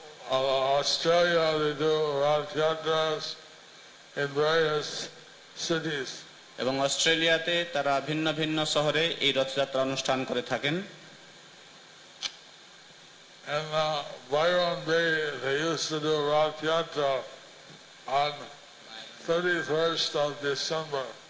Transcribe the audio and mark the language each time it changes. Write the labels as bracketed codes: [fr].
[en] Australia, they do Rath Yatras in various cities. [bn] এবং অস্ট্রেলিয়াতে তারা ভিন্ন ভিন্ন শহরে এই রথযাত্রা অনুষ্ঠান করে থাকেন। [en] And Byron Bay, they used to do Rath Yatra on 31st of December.